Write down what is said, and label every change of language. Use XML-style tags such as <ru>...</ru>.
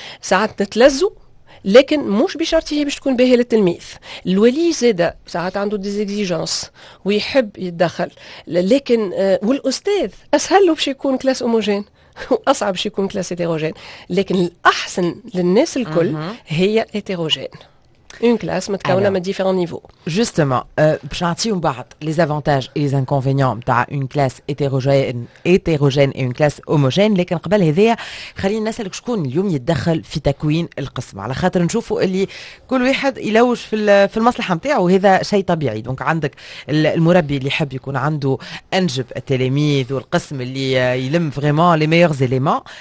<ar>ساعات تتلزوا لكن مش بشرط هي باش تكون باهي للتلميذ. الولي زاده ساعات عنده ديزيكزيجونس ويحب يتدخل، لكن والاستاذ اسهل له باش يكون كلاس هوموجين واصعب باش يكون كلاس هيتيروجين، لكن الاحسن للناس الكل هي هيتيروجين.</ar> <fr>Une classe, mais quand même à différents niveaux. Justement, les avantages et les inconvénients d'avoir une classe hétérogène et une classe homogène. Les quand qu'on parle d'ici,</fr> <ar>خلينا نسأل شكون اليوم يدخل في تكوين القسم. على خاطر نشوفوا اللي كل واحد يلوش في المصلحة متاعه، وهذا شيء طبيعي. دونك عندك المربي اللي يحب يكون عنده أنجب التلاميذ والقسم اللي يلم</ar> <fr>vraiment les meilleurs éléments.</fr>